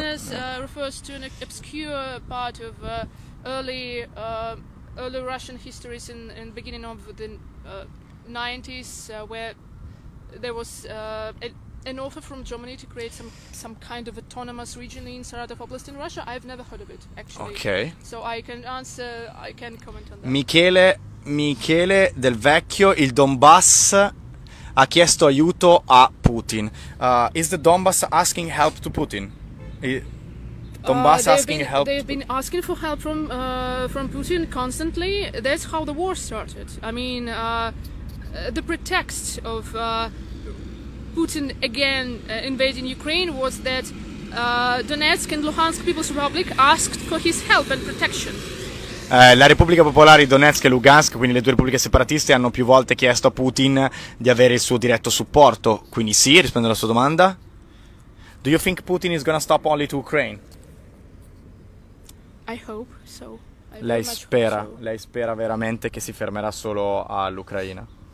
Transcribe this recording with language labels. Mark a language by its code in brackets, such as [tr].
[en] Refers to an obscure part of early Russian histories in the beginning of the 90s, where there was an offer from Germany to create some kind of autonomous region in Saratov Oblast in Russia. I've never heard of it, actually. Okay. So I can answer, I can comment on that. [it] Michele Del Vecchio, il Donbass ha chiesto aiuto a Putin. [en] Is the Donbass asking help to Putin? They've been asking for help from Putin constantly. That's how the war started. I mean, the pretext of Putin again invading Ukraine was that Donetsk and Luhansk People's Republic asked for his help and protection. [it] La Repubblica Popolare di Donetsk e Lugansk, quindi le due repubbliche separatiste, hanno più volte chiesto a Putin di avere il suo diretto supporto. Quindi sì, rispondo alla sua domanda. [en] Do you think Putin is gonna stop only to Ukraine? I hope so. [it] Lei spera veramente che si fermerà solo all'Ucraina?